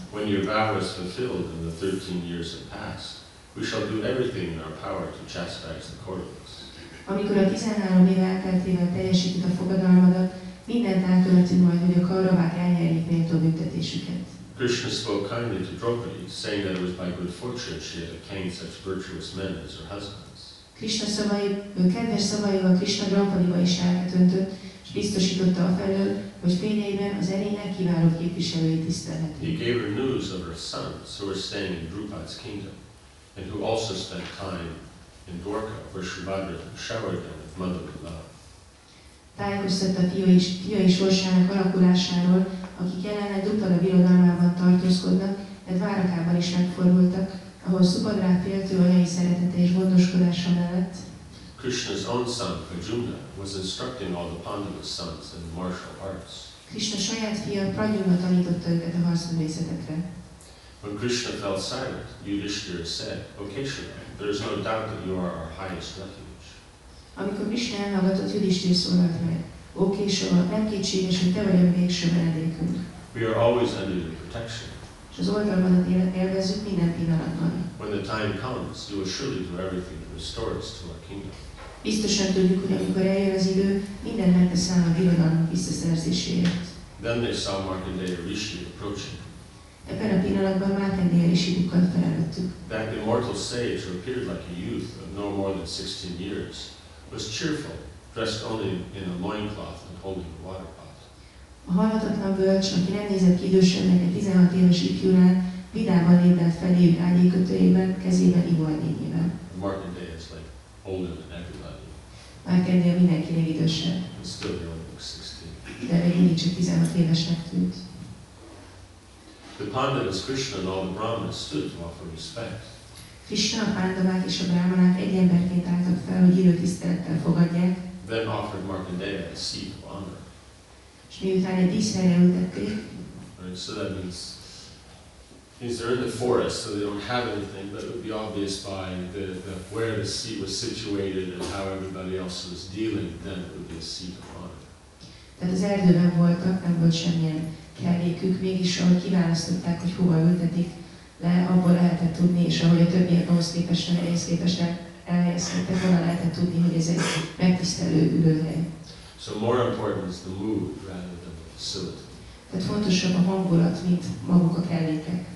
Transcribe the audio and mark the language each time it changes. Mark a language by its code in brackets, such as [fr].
[en] When your vow is fulfilled and the 13 years have passed, we shall do everything in our power to chastise the Kauravas. [hu] Amikor a 13 év elteltével teljesített a fogadalmadat, mindent elkövetünk majd, hogy a Kauravák elnyerjék méltó büntetésüket. [en] Krishna spoke kindly to Draupadi, saying that it was by good fortune she had obtained such virtuous men as her husbands. [hu] Krishna kedves szavaival Krishna Draupadiba is elvetöntött, és biztosította afelől, hogy fényeiben az erénynek kiváló képviselői tisztelheti. [en] He gave her news of her sons who were staying in Drupad's kingdom, and who also spent time in Dwarka, where Subhadra showered them with motherly love. [hu] Tájékoztatta a fiai sorsának alakulásáról, akik jelenleg Drupada birodalmában tartózkodnak, de Dwarkában is megfordultak, ahol Subhadra féltő anyai szeretete és gondoskodása mellett. [en] Krishna's own son, Arjuna, was instructing all the Pandava sons in the martial arts. [hu] Krishna saját fia, Prajuna tanította őket a harcművészetekre. [en] When Krishna fell silent, Yudhishthira said, O Keshava, there is no doubt that you are our highest refuge. [hu] Amikor Krishna elhallgatott, Yudhishthira szólalt meg, O Keshava, nem kétséges, hogy te vagy a végső menedékünk. [en] We are always under your protection. [hu] És az oldalmadat élvezzük minden pillanatban. [en] When the time comes, you will surely do everything to restore us to our kingdom. [hu] Biztosan tudjuk, hogy amikor eljön az idő, minden megteszel a birodalmunk visszaszerzéséért. [en] Then they saw Markandeya Rishi approaching. [hu] Ebben a pillanatban Márkandéja Rishi bukkant fel előttük. [en] That immortal sage, who appeared like a youth of no more than 16 years, was cheerful, dressed only in a loincloth and holding a water pot. [hu] A halhatatlan bölcs, aki nem nézett ki idősebbnek egy 16 éves ifjúnál, vidáman lépett felé ő ágyékötőjében, kezében ivóedényében. [en] Markandeya is like older than everybody. [hu] Márkandéja mindenkinek idősebb. [en] And still he only looks 16. [hu] De még mindig csak 16 évesnek tűnt. [en] The Pandavas, Krishna, and all the Brahmanas stood to offer respect. [hu] Krishna, Pandavák és a Brahmanák egy emberként álltak fel, hogy ilyen tisztelettel fogadják. [en] Then offered Markandeya a seat of honor. [hu] És miután egy díszhelyre ültették. [en] Right, so that means they're in the forest, so they don't have anything, but it would be obvious by the where the seat was situated and how everybody else was dealing, then it would be a seat of honor. [hu] Tehát az erdőben voltak, nem volt semmilyen kellékük, mégis ahogy kiválasztották, hogy hova ültetik le, abból lehetett tudni, és ahogy a többiek ahhoz képesen elhelyezkedtek, onnan lehetett tudni, hogy ez egy megtisztelő ülőhely. [en] So more important is the mood rather than the facility. [hu] Tehát fontosabb a hangulat, mint maguk a kellékek.